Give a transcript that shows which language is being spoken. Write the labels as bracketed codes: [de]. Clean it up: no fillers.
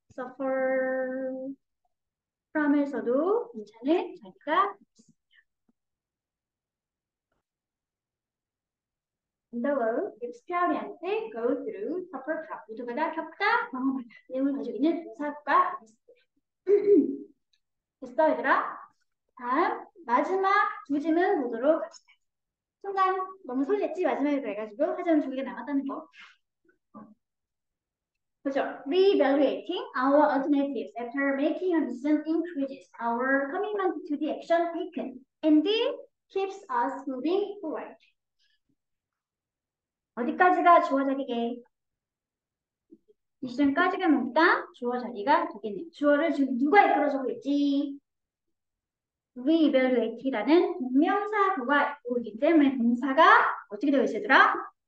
[ko] suffer from에서도 괜찮을 자리가 Underworld, experience, go through, suffer from. 모두가 다 겪다, 경험하다. 내용을 가지고 있는 동사가 있습니다. 됐어, 얘들아? 다음, 마지막 두 질문 보도록 합시다. 순간, 너무 설렜지? 마지막에 그래가지고. 하지만 두 개가 남았다는 거. 그죠? [en] Reevaluating our alternatives after making a decision increases our commitment to the action taken and keeps us moving forward. [ko] 어디까지가 주어 자리게? 이전까지가 뭡니까? 주어 자리가 되겠네. 주어를 지금 누가 이끌어주고 있지? Reevaluate라는 동명사 부가 오기 때문에 동사가 어떻게 되어 있으더라?